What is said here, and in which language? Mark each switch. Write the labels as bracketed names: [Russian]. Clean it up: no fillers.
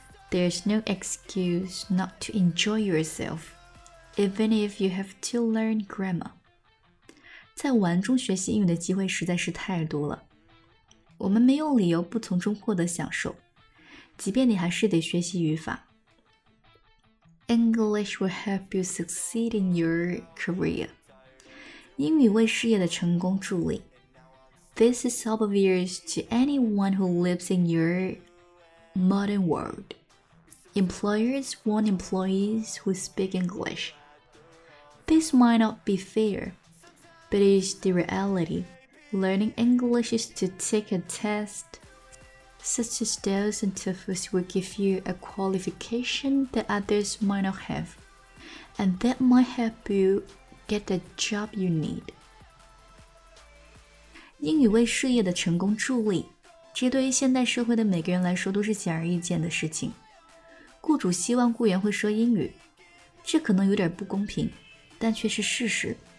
[English] There's no excuse not to enjoy yourself, even if you have to learn grammar. [Chinese] 在玩中学习英语的机会实在是太多了，我们没有理由不从中获得享受，即便你还是得学习语法。 [English] English will help you succeed in your career. [Chinese] 英语为事业的成功助力。 [English] This is obvious to anyone who lives in your modern world. Employers want employees who speak English. This might not be fair, but it is the reality. Learning English is to take a test, such as those and TOEFLs will give you a qualification that others might not have, and that might help you get the job you need. [Chinese] 英语为事业的成功助力，这对于现代社会的每个人来说都是显而易见的事情。雇主希望雇员会说英语，这可能有点不公平，但却是事实。